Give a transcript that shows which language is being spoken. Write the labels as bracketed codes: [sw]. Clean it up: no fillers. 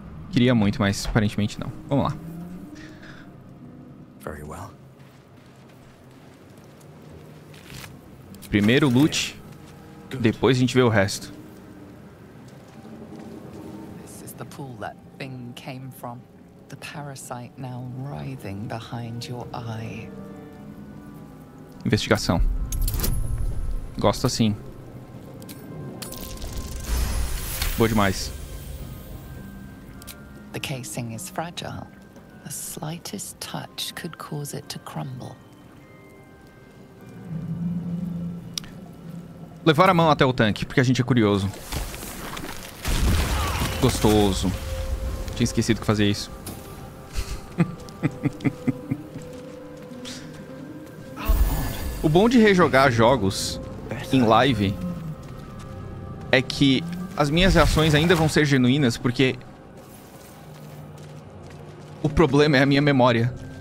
[pt] Queria muito, mas aparentemente não. Vamos lá. Primeiro loot, depois a gente vê o resto. [en] This is the pool that Bing came from. The parasite now writhing behind your eye. [pt] Investigação. Gosto assim. Boa demais. [en] The casing is fragile. The slightest touch could cause it to crumble. [pt] Levar a mão até o tanque, porque a gente é curioso. Gostoso. Tinha esquecido que fazia isso. O bom de rejogar jogos em live é que as minhas reações ainda vão ser genuínas, porque o problema é a minha memória.